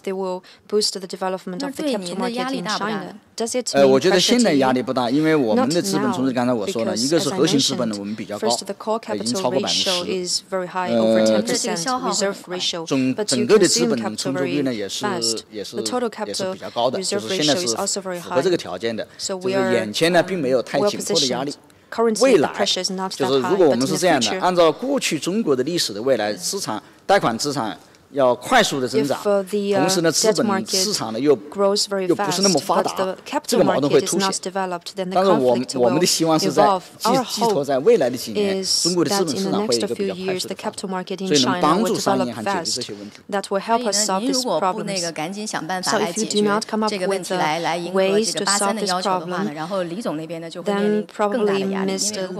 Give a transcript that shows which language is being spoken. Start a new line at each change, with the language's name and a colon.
English: they will boost the development of the capital market in China. Does it
Chinese: mean 我觉得现在压力不大, 因为我们的资本从事刚才我说了, 一个是核心资本的, 我们比较高,
English: first, the core capital ratio is very high, over 10% reserve ratio, but you can see the capital very fast. The total capital reserve ratio is also very high. So we are well-positioned. Currently, the pressure is not that high, but in the future,
Chinese: 按照过去中国的历史的未来资产, 贷款资产, 要快速的增长,
English: if the debt market grows very fast, but the capital market is not developed, then the conflict will evolve. Our hope is that in the next few years, the capital market in China will develop fast. That will help us solve these problems. So if you do not come up with the ways to solve this problem, then probably Mr.